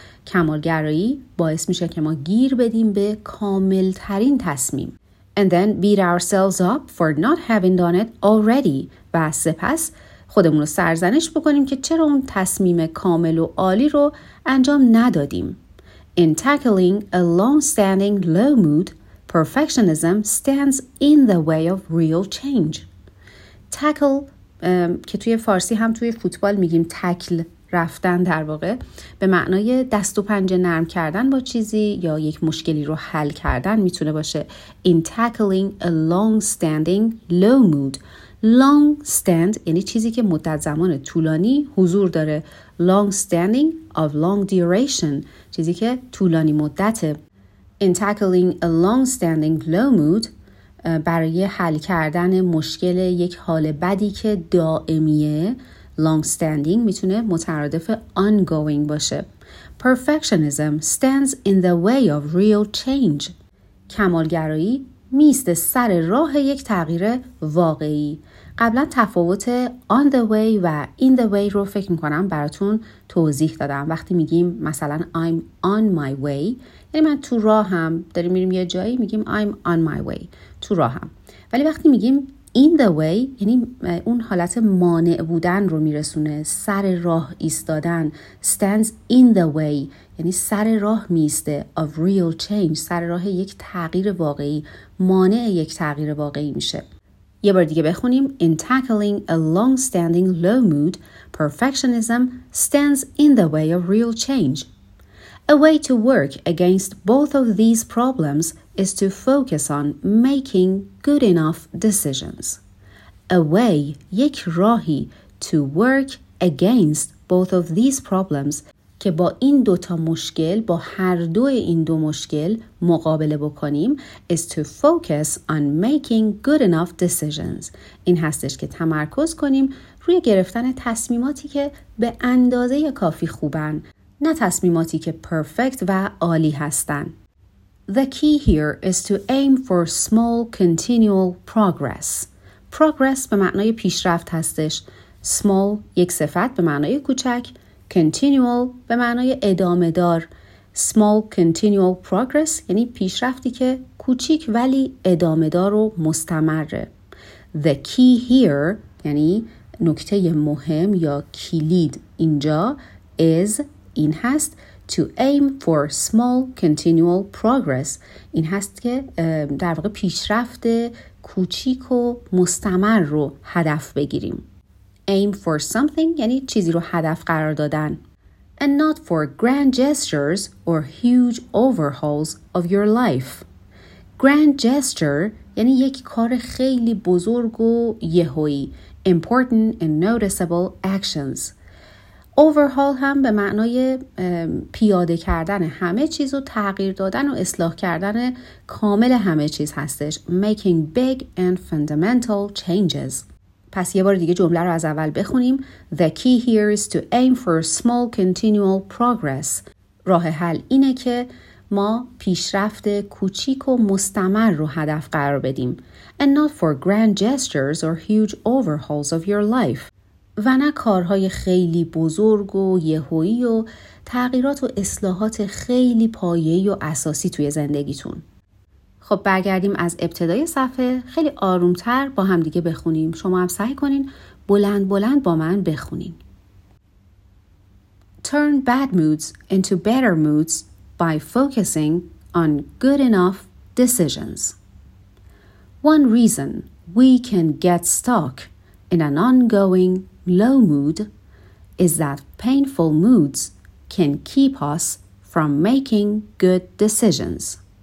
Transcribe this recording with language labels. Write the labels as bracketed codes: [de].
[fa] کمالگرایی باعث میشه که ما گیر بدیم به کاملترین تصمیم. [en] And then beat ourselves up for not having done it already. [fa] و سپس خودمون رو سرزنش بکنیم که چرا اون تصمیم کامل و عالی رو انجام ندادیم. [en] In tackling a long-standing low mood, perfectionism stands in the way of real change. [fa] Tackle که توی فارسی هم توی فوتبال میگیم تکل رفتن، در واقع به معنای دست و پنجه نرم کردن با چیزی یا یک مشکلی رو حل کردن میتونه باشه. [en] In tackling a long-standing low mood. [fa] Long stand یعنی چیزی که مدت زمان طولانی حضور داره. [en] Long standing of long duration، [fa] چیزی که طولانی مدته. [en] In tackling a long standing low mood، [fa] برای حل کردن مشکل یک حال بدی که دائمیه، [en] long standing [fa] میتونه مترادف [en] ongoing [fa] باشه. [en] Perfectionism stands in the way of real change. [fa] کمالگرایی میسته سر راه یک تغییر واقعی. قبلا تفاوت [en] on the way [fa] و [en] in the way [fa] رو فکر میکنم براتون توضیح دادم. وقتی میگیم مثلا [en] I'm on my way، [fa] یعنی من تو راهم، داریم میریم یه جایی، میگیم I'm on my way، تو راهم. ولی وقتی میگیم [en] in the way [fa] یعنی اون حالت مانع بودن رو میرسونه، سر راه ایستادن. [en] stands in the way [fa] یعنی سر راه میسته، [en] of real change، [fa] سر راه یک تغییر واقعی، مانع یک تغییر واقعی میشه. یه بار دیگه بخونیم. [en] In tackling a long-standing low mood, perfectionism stands in the way of real change. A way to work against both of these problems is to focus on making good enough decisions. A way, [fa] یک راهی, [en] to work against both of these problems [fa] که با این دوتا مشکل، با هر دو این دو مشکل مقابله بکنیم، [en] is to focus on making good enough decisions. [fa] این هستش که تمرکز کنیم روی گرفتن تصمیماتی که به اندازه کافی خوبن، نه تصمیماتی که پرفکت و عالی هستن. [en] The key here is to aim for small continual progress. [fa] Progress به معنای پیشرفت هستش. Small یک صفت به معنای کوچک، continual به معنای ادامه دار. [en] small continual progress [fa] یعنی پیشرفتی که کوچیک ولی ادامه دار و مستمره. [en] the key here [fa] یعنی نکته مهم یا کلید اینجا [en] is [fa] این هست [en] to aim for small continual progress، [fa] این هست که در واقع پیشرفت کوچیک و مستمر رو هدف بگیریم. [en] aim for something [fa] یعنی چیزی رو هدف قرار دادن. [en] and not for grand gestures or huge overhauls of your life. [fa] grand gesture یعنی یک کار خیلی بزرگ و یهویی. [en] important and noticeable actions. [fa] overhaul هم به معنای پیاده کردن همه چیز و تغییر دادن و اصلاح کردن کامل همه چیز هستش. [en] making big and fundamental changes. [fa] پس یه بار دیگه جمله رو از اول بخونیم. [en] The key here is to aim for small continual progress. [fa] راه حل اینه که ما پیشرفت کوچیک و مستمر رو هدف قرار بدیم. [en] And not for grand gestures or huge overhauls of your life. [fa] و نه کارهای خیلی بزرگ و یهویی و تغییرات و اصلاحات خیلی پایه‌ای و اساسی توی زندگیتون. خب برگردیم از ابتدای صفحه، خیلی آرومتر با هم دیگه بخونیم. شما هم سعی کنین بلند بلند با من بخونین. [en] Turn bad moods into better moods by focusing on good enough decisions. One reason we can get stuck in an ongoing low mood is that painful moods can keep us from making good decisions.